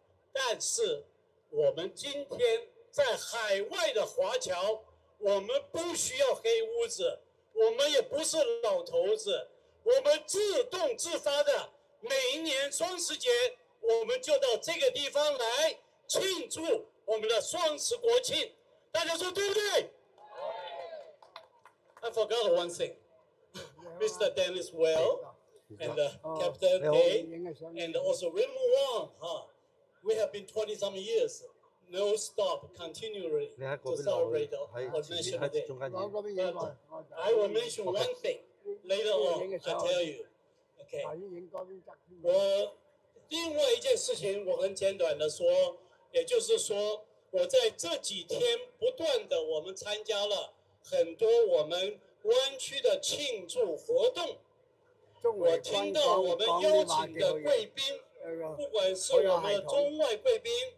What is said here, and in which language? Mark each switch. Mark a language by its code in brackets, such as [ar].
[zh] 但是我们今天在海外的华侨，我们不需要黑屋子，我们也不是老头子，我们自动自发的每一年双十节我们就到这个地方来庆祝我们的双十国庆，大家说对不对？ [en] I forgot one thing. Mr. Dennis Well and Captain A and also Raymond Wong, we have been 20 some years. No stop, continually to celebrate our national day. But I will mention one thing later on. I tell you, okay. [zh] 我另外一件事情，我很简短的说，也就是说，我在这几天不断的，我们参加了很多我们湾区的庆祝活动。我听到我们邀请的贵宾，不管是我们的中外贵宾。